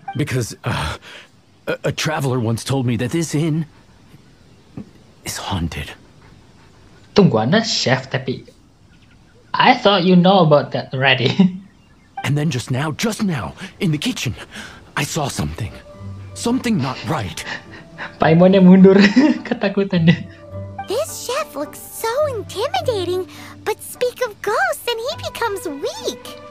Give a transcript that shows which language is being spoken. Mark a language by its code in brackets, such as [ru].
[en] Because a traveler once told me that this inn is haunted. [id] Tunggu, Anda chef tapi [en] I thought you know about that already. And then just now, in the kitchen, I saw something. Something not right. [id] Paimonnya mundur ketakutannya. [en] This chef looks so intimidating, but speak of ghosts and he becomes weak.